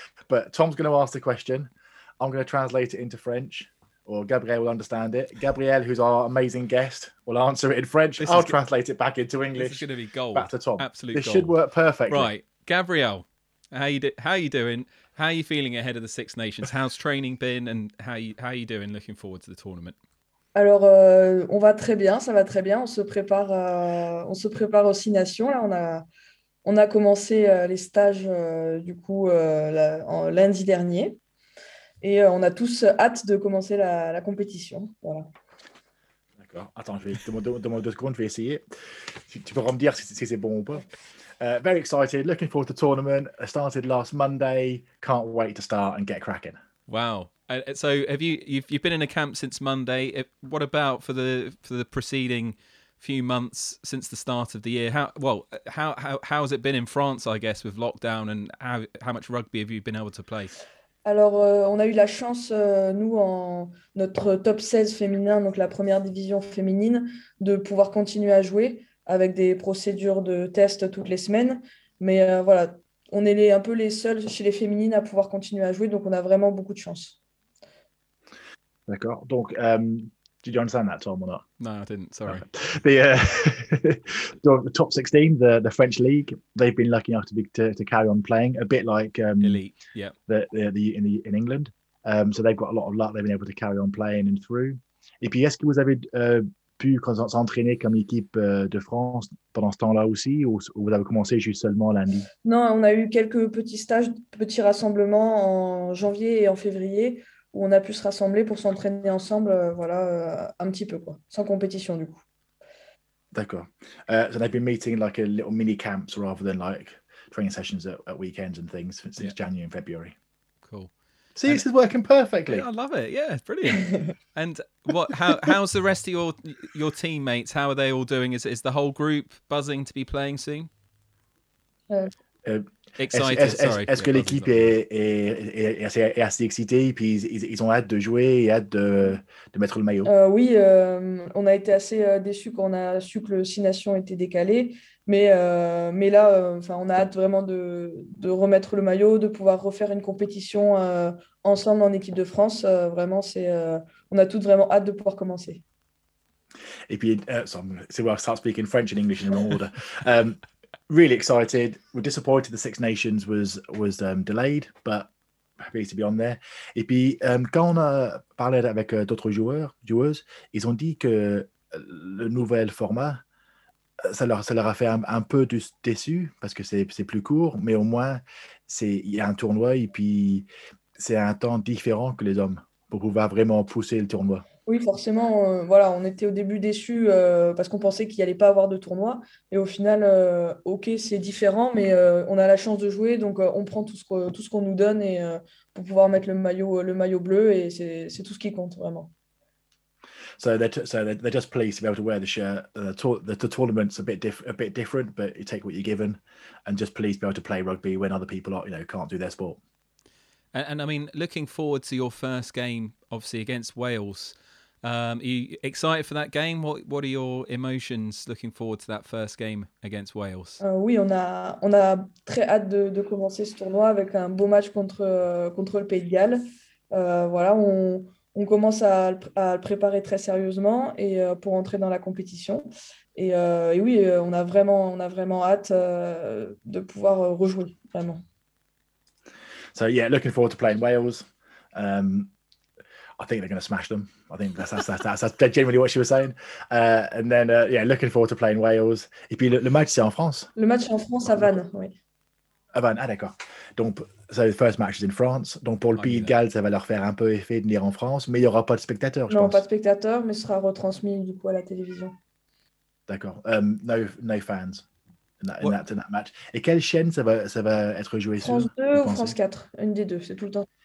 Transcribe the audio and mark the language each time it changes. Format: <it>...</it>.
<en>But Tom's going to ask the question. I'm going to translate it into French, or Gabriel will understand it. Gabriel, who's our amazing guest, will answer it in French. I'll translate it back into English. This is going to be gold. Back to Tom. Absolute this gold. Should work perfectly. Right. Gabriel, how are you doing? How are you feeling ahead of the Six Nations? How's training been, and how are you doing looking forward to the tournament?</en> <fr>Alors, on va très bien, ça va très bien. On se prépare aux Six Nations. Là, on a commencé les stages lundi dernier, et on a tous hâte de commencer la compétition. Voilà. D'accord. Attends, je vais demander deux secondes. Je vais essayer. Tu pourras me dire si c'est bon ou pas.</fr> <en>Very excited. Looking forward to the tournament. I started last Monday. Can't wait to start and get cracking. Wow. So have you've been in a camp since Monday. What about for the preceding few months since the start of the year? How has it been in France, I guess, with lockdown, and how much rugby have you been able to play?</en> <fr>Alors on a eu la chance nous en notre top 16 féminin, donc la première division féminine, de pouvoir continuer à jouer avec des procédures de test toutes les semaines, mais voilà, on est un peu les seuls chez les féminines à pouvoir continuer à jouer, donc on a vraiment beaucoup de chance. D'accord.</fr> <en>Donc, did you understand that, Tom, or not? No, I didn't. Sorry. the top 16, the French league, they've been lucky enough to carry on playing a bit like elite. Yeah. In England, so they've got a lot of luck. They've been able to carry on playing and through.</en> <fr>Et puis, est-ce que vous avez pu s'entraîner comme équipe de France pendant ce temps-là aussi, ou vous avez commencé juste seulement lundi? Non, on a eu quelques petits stages, petits rassemblements en janvier et en février, où on a pu se rassembler pour s'entraîner ensemble, un petit peu, quoi, sans compétition, du coup. D'accord.</fr> <en>So they've been meeting like a little mini camps rather than like training sessions at weekends and things since January and February. Cool. See, and this is working perfectly. Yeah, I love it. Yeah, brilliant. And how's the rest of your teammates? How are they all doing? Is the whole group buzzing to be playing soon?</en> <fr>Est-ce que l'équipe est assez excitée, puis ils ont hâte de jouer et hâte de mettre le maillot? Oui, on a été assez déçus quand on a su que le Six Nations était décalé, mais on a hâte vraiment de remettre le maillot, de pouvoir refaire une compétition ensemble en équipe de France. Vraiment, on a toutes vraiment hâte de pouvoir commencer. Et puis,</fr> <en>I'll start speaking French and English in an order. Really excited. We're disappointed the Six Nations was delayed, but happy to be on there.</en> <fr>Et puis, quand on a parlé avec d'autres joueurs, joueuses, ils ont dit que le nouvel format, ça leur a fait un peu déçu parce que c'est plus court, mais au moins, il y a un tournoi et puis c'est un temps différent que les hommes pour pouvoir vraiment pousser le tournoi. Oui, forcément. Voilà, on était au début déçus parce qu'on pensait qu'il n'y allait pas avoir de tournoi. Et au final, OK, c'est différent, mais on a la chance de jouer. Donc, on prend tout ce qu'on nous donne et, pour pouvoir mettre le maillot bleu. Et c'est tout ce qui compte, vraiment.</fr> <en>So they're just pleased to be able to wear the shirt. The tournament's a bit different, but you take what you're given. And just pleased to be able to play rugby when other people are, you know, can't do their sport. And I mean, looking forward to your first game, obviously, against Wales. Are you excited for that game? What are your emotions looking forward to that first game against Wales?</en> <fr>Oui, on a très hâte de commencer ce tournoi avec un beau match contre le Pays de Galles. Voilà, on commence à le préparer très sérieusement et pour entrer dans la compétition. Et oui, on a vraiment hâte de pouvoir rejouer, vraiment.</fr> <en>So yeah, looking forward to playing Wales. I think they're going to smash them. I think that's genuinely what she was saying. And then, yeah, looking forward to playing Wales.</en> <fr>Et puis le match, c'est en France? Le match est en France, à Vannes, oui. À Vannes, ah d'accord.</fr> <en>Donc, so the first match is in France.</en> <fr>Donc pour le Pays de Galles, ça va leur faire un peu effet de venir en France, mais il n'y aura pas de spectateurs, je pense. Non, pas de spectateurs, mais ce sera retransmis du coup à la télévision. D'accord.</fr> <en>No fans. In that match.</en> <fr>Et quelle chaîne ça va être joué sur? France 2 ou France 4, une des deux, c'est tout le temps.</fr>